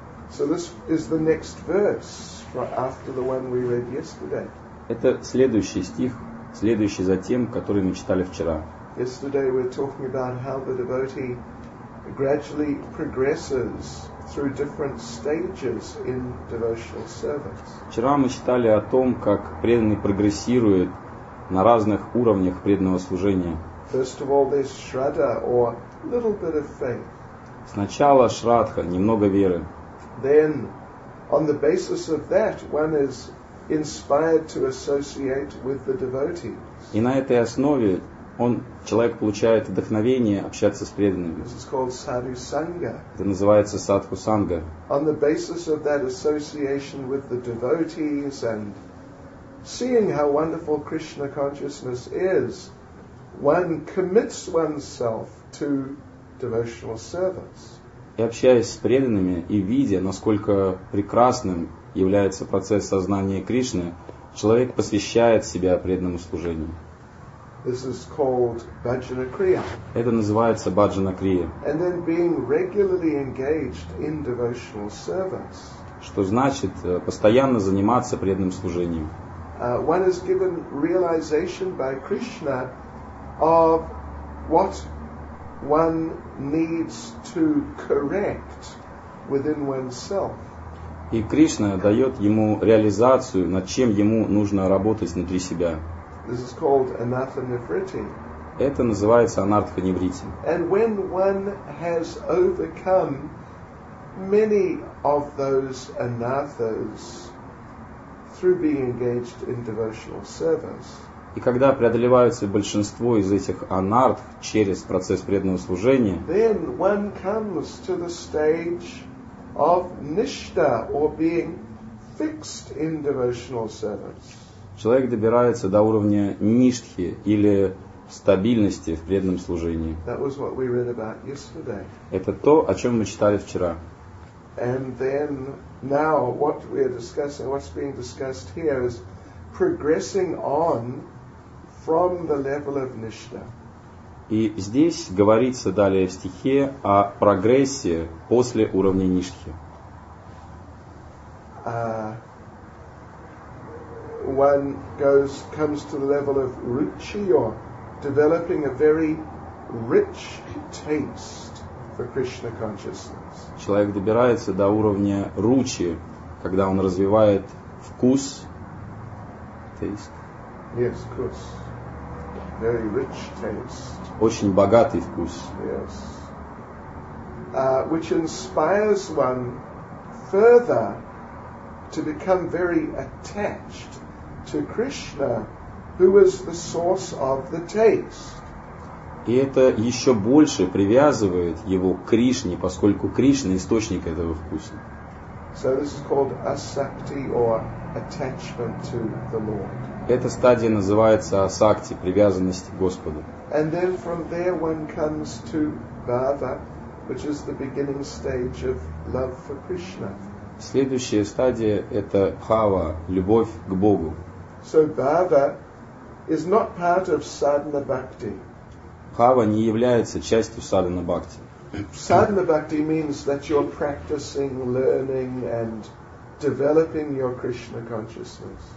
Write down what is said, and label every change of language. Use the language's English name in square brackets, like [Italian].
[English] So this is the next verse after the one we read yesterday. [Russian] Это следующий стих, следующий за тем, который мы читали вчера. [English] Yesterday we were talking about how the devotee gradually progresses through different stages in devotional service. [Russian] Вчера мы читали о том, как преданный прогрессирует на разных уровнях преданного служения. [English] First of all, there's shraddha, or little bit of faith. [Russian] Сначала шрадха, немного веры. [English] Then, on the basis of that, one is inspired to associate with the devotees. [Russian] И на этой основе он, человек, получает вдохновение общаться с преданными. [English] This is called sadhu sangha. [Russian] Это называется садху санга. [English] On the basis of that association with the devotees and seeing how wonderful Krishna consciousness is, one commits oneself to devotional service. [Russian] И общаясь с преданными и видя, насколько прекрасным является процесс сознания Кришны, человек посвящает себя преданному служению. [English] This is called bhajana kriya. [Russian] Это называется bhajana kriya. [English] And then being regularly engaged in devotional service. [Russian] Что значит постоянно заниматься преданным служением? [English] One is given realization by Krishna of what one needs to correct within oneself. [Russian] И Кришна дает ему реализацию, над чем ему нужно работать внутри себя. [English] This is called anatta nivritti. [Russian] Это называется анартха нивритти. [English] And when one has overcome many of those anathas through being engaged in devotional service. [Russian] И когда преодолеваются большинство из этих анартх через процесс преданного служения, [English] then one comes to the stage of nishta, or being fixed in devotional service. [Russian] Человек добирается до уровня ништхи или стабильности в преданном служении. [English] That was what we read about yesterday. [Russian] Это то, о чем мы читали вчера. [English] And then now what we are discussing, what's being discussed here is progressing on from the level of nishta. [Russian] И здесь говорится далее в стихе о прогрессе после уровня ништхи. [English] One comes to the level of ruchi, or developing a very rich taste for Krishna consciousness. [Russian] Человек добирается до уровня ручи, когда он развивает вкус. [English] Taste. Yes, [Russian] вкус. [English] Very rich taste. [Russian] Очень богатый вкус. [English] Yes. Which inspires one further to become very attached to Krishna, who is the source of the taste. [Russian] И это еще больше привязывает его к Кришне, поскольку Кришна источник этого вкуса. [English] So this is called asakti, or attachment to the Lord. [Russian] Эта стадия называется асакти, привязанность к Господу. [English] And then from there one comes to bhava, which is the beginning stage of love for Krishna. [Russian] Следующая стадия — это bhava, любовь к Богу. [English] So bhava is not part of sadhana bhakti. [Russian] Bhava не является частью sadhana bhakti. [English] Sadhana bhakti means that you're practicing, learning and developing your Krishna consciousness.